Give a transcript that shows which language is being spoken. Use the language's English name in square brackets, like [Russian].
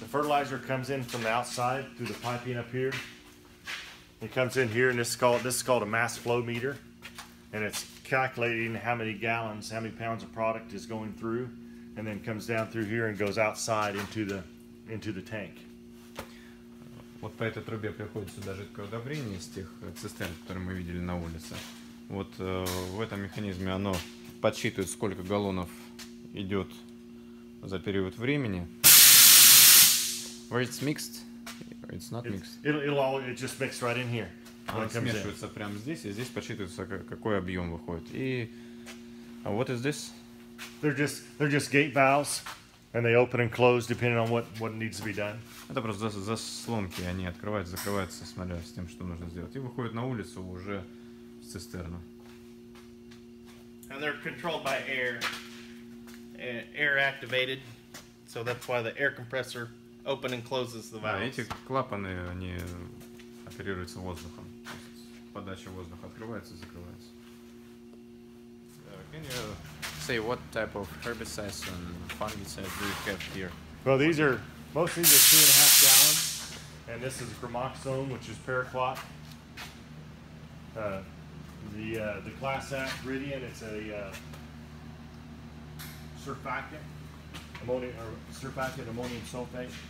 [English] The fertilizer comes in from the outside through the piping up here. It comes in here, and this is called a mass flow meter, and it's calculating how many pounds of product is going through, and then comes down through here and goes outside into the tank. [Russian] Вот по этой трубе приходит сюда жидкое удобрение из тех цистерн, которые мы видели на улице. Вот в этом механизме оно подсчитывает, сколько галлонов идет за период времени. [English] Where it's mixed. It's not mixed. It just mixed right in here. [Russian] Она смешивается прямо здесь, и здесь подсчитывается, какой объем выходит. [English] И what is this? They're just gate valves, and they open and close depending on what needs to be done. [Russian] Это просто заслонки, они открываются, закрываются, смотря с тем, что нужно сделать, и выходят на улицу уже с цистерну. [English] And they're controlled by air activated, so that's why the air compressor. Open and closes the valves. [Russian] Да, эти клапаны, они оперируются воздухом. Подача воздуха открывается и закрывается. [English] Can you say what type of herbicides and fungicides do you have here? Well, these are 2.5 gallons. And this is Gramoxone, which is paraquat. The class act Ridian, it's a surfactant ammonium sulfate.